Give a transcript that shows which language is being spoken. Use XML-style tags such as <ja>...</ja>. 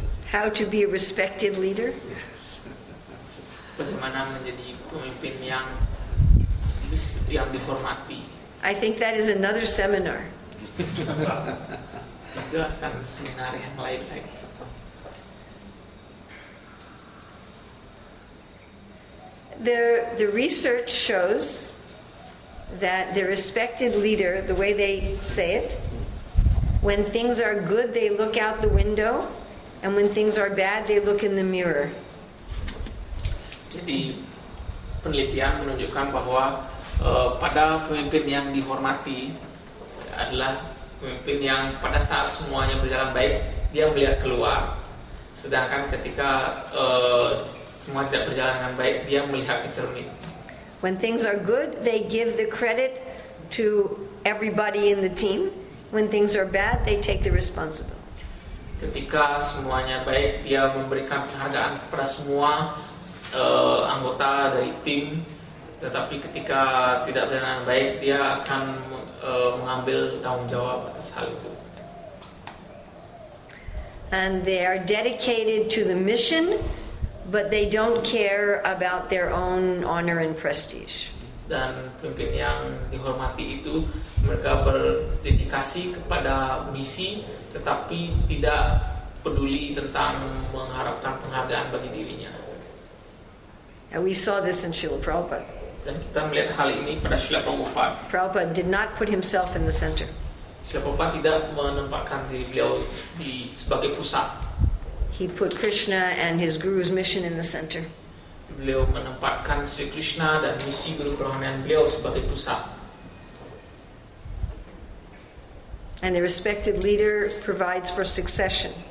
<en>How to be a respected leader?</en> <id>Bagaimana menjadi pemimpin yang dihormati?</id> <en>I think that is another seminar.</en> <id>Itu akan seminar yang lain lagi.</id> <en>The research shows that the respected leader, the way they say it, when things are good, they look out the window. And when things are bad, they look in the mirror.</en> <id>Jadi penelitian menunjukkan bahwa pada pemimpin yang dihormati adalah pemimpin yang pada saat semuanya berjalan baik, dia melihat keluar. Sedangkan ketika semua tidak berjalan dengan baik, dia melihat ke cermin.</id> <en>When things are good, they give the credit to everybody in the team. When things are bad, they take the responsibility.</en> <id>Ketika semuanya baik, dia memberikan penghargaan kepada semua anggota dari tim. Tetapi ketika tidak berjalan baik, dia akan mengambil tanggung jawab atas hal itu.</id> <en>And they are dedicated to the mission, but they don't care about their own honor and prestige.</en> <id>Dan pemimpin yang dihormati itu, mereka berdedikasi kepada misi, tetapi tidak peduli tentang mengharapkan penghargaan bagi dirinya.</id> <en>And we saw this in Srila Prabhupada.</en> <id>Dan kita melihat hal ini pada Srila Prabhupada.</id> <en>Prabhupada did not put himself in the center.</en> <id>Srila Prabhupada tidak menempatkan diri beliau di sebagai pusat.</id> <en>He put Krishna and his guru's mission in the center.</en> <id>Beliau menempatkan Sri Krishna dan misi guru kerohanian beliau sebagai pusat.</id> <en>And the respected leader provides for succession.</en>